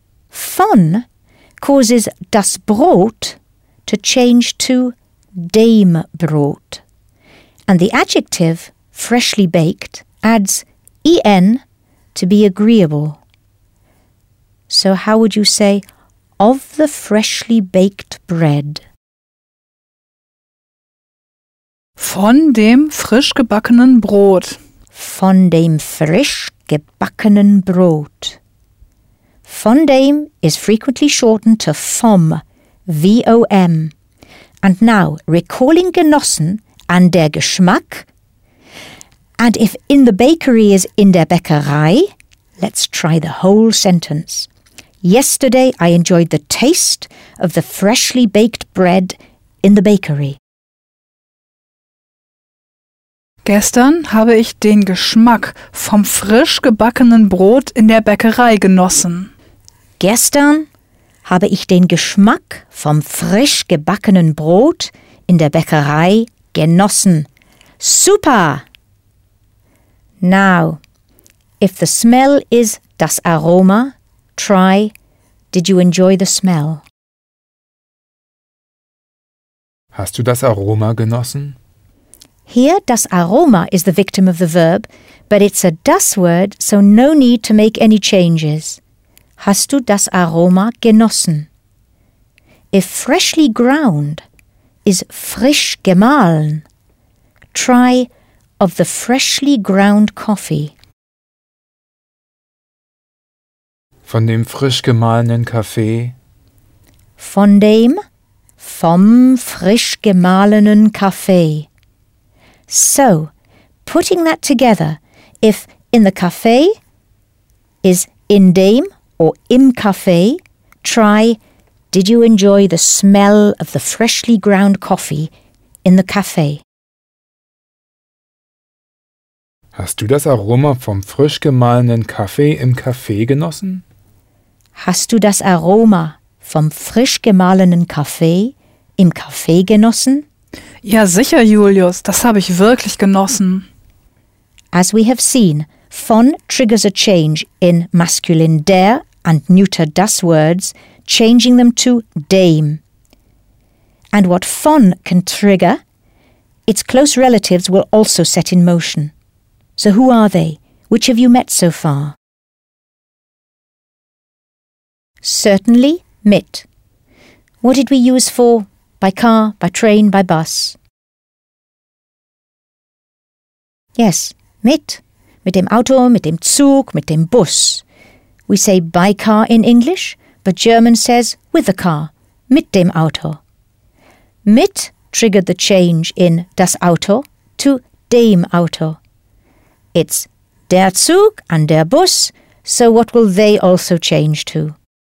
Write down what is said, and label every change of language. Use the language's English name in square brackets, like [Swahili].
[English] Von causes das Brot to change to dem Brot. And the adjective, freshly baked, adds en to be agreeable. So how would you say, of the freshly baked bread? [German] Von dem frisch gebackenen Brot. Von dem frisch gebackenen Brot. [English] Von dem is frequently shortened to vom, V-O-M. And now, recalling genossen and der Geschmack. And if in the bakery is in der Bäckerei, let's try the whole sentence. Yesterday I enjoyed the taste of the freshly baked bread in the bakery. [German] Gestern habe ich den Geschmack vom frisch gebackenen Brot in der Bäckerei genossen. Gestern habe ich den Geschmack vom frisch gebackenen Brot in der Bäckerei genossen. Super! [English] Now, if the smell is das Aroma, try, did you enjoy the smell? [German] Hast du das Aroma genossen? [English] Here, das Aroma is the victim of the verb, but it's a das word, so no need to make any changes. [German] Hast du das Aroma genossen? [English] If freshly ground is frisch gemahlen, try of the freshly ground coffee. [German] Von dem frisch gemahlenen Kaffee. Von dem vom frisch gemahlenen Kaffee. [English] So, putting that together, if in the café is in dem or im café, try, did you enjoy the smell of the freshly ground coffee in the café? [German] Hast du das Aroma vom frisch gemahlenen Kaffee im Café genossen? Hast du das Aroma vom frisch gemahlenen Kaffee im Café genossen? Ja, sicher, Julius, das habe ich wirklich genossen. [English] As we have seen, Von triggers a change in masculine der and neuter das words, changing them to dem. And what von can trigger, its close relatives will also set in motion. So who are they? Which have you met so far? Certainly, mit. What did we use for? By car, by train, by bus. Yes, mit. [German] Mit dem Auto, mit dem Zug, mit dem Bus. [English] We say by car in English, but German says with the car, mit dem Auto. Mit triggered the change in das Auto to dem Auto. It's der Zug and der Bus, so what will they also change to?